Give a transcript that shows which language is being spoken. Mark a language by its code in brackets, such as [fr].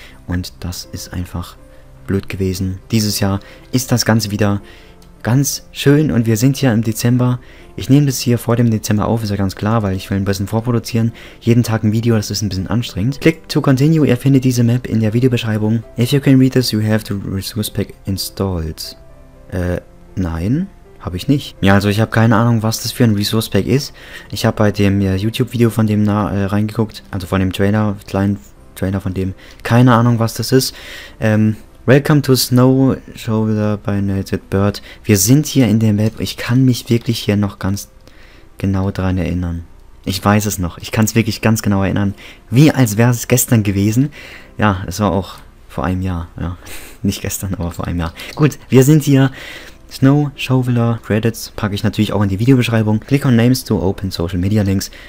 [de] Und das ist einfach blöd gewesen. Dieses Jahr ist das Ganze wieder ganz schön und wir sind hier im Dezember. Ich nehme das hier vor dem Dezember auf, ist ja ganz klar, weil ich will ein bisschen vorproduzieren. Jeden Tag ein Video, das ist ein bisschen anstrengend. [en] Click to continue, [de] ihr findet diese Map in der Videobeschreibung. [en] If you can read this, you have the resource pack installed. [de] Nein, habe ich nicht. Ja, also ich habe keine Ahnung, was das für ein Resource Pack ist. Ich habe bei dem YouTube-Video von dem reingeguckt, also von dem Trailer, kleinen Trailer von dem, keine Ahnung, was das ist. [en] Welcome to Snow Shoulder by Nated Bird. [de] Wir sind hier in der Map. Ich kann mich wirklich hier noch ganz genau dran erinnern. Ich weiß es noch. Ich kann es wirklich ganz genau erinnern. Wie als wäre es gestern gewesen. Ja, es war auch vor einem Jahr. Ja, nicht gestern, aber vor einem Jahr. Gut, wir sind hier. Snow Shoveler Credits packe ich natürlich auch in die Videobeschreibung. [en] Click on Names to open Social Media Links.